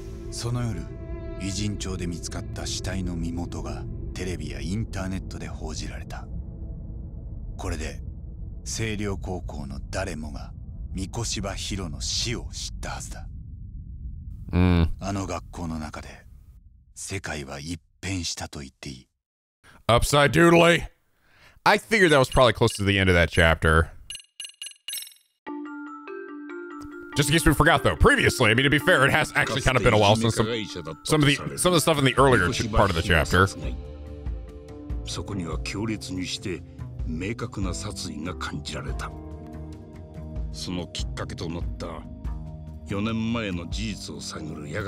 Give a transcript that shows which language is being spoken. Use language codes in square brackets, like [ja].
[ja] その夜、偉人町で見つかった死体の身元がテレビやインターネットで報じられた。これで清涼高校の誰もが三越芝弘の死を知ったはずだ。うん。あの学校の中で世界は一変したと言ってい [en] い。Upside doodly! I figured that was probably close to the end of that chapter. Just in case we forgot though, previously, I mean to be fair, it has actually kind of been a while since some of the stuff in the earlier part of the chapter. [ja] そこには強烈にして明確な殺意が感じられた。そのきっかけとなった4年前の事実を探るやが